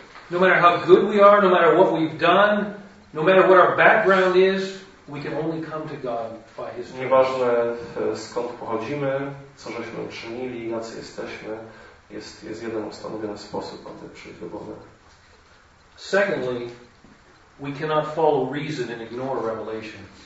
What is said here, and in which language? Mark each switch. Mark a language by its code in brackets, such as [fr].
[en] No matter how good we are, no matter what we've done, no matter what our background is, we can only come to God by his grace. [pl] Nieważne skąd pochodzimy, co żeśmy uczynili, jacy jesteśmy, jest jeden ustanowiony sposób, aby przyjść do Boga. [en] Secondly, we cannot follow reason and ignore revelation.